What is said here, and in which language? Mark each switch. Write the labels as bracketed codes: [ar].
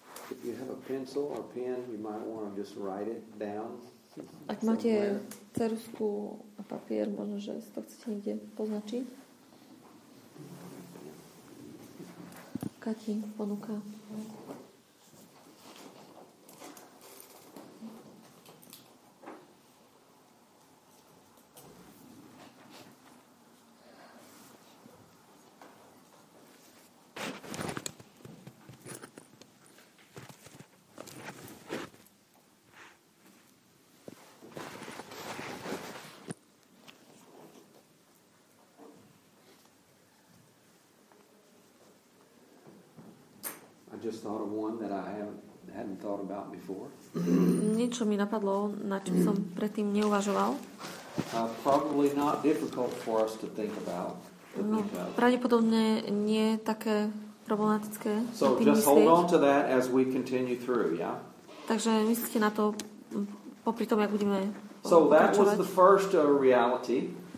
[en] If you have a pencil or pen, you might want to just write it down. [sk] Ak máte ceruzku a papier, možno, že si to chcete niekde poznačiť. Kati, ponuka. [en] Just thought of one that I hadn't thought about before. [sk] Niečo mi napadlo, na čo som predtým neuvažoval. [en] Probably not difficult for us to think about. [sk] Pravdepodobne nie také problematické. [en] So just hold on to that as we continue through, yeah? [sk] Takže myslíte na to popri tom, jak budeme pokračovať. [en] So that was the first reality.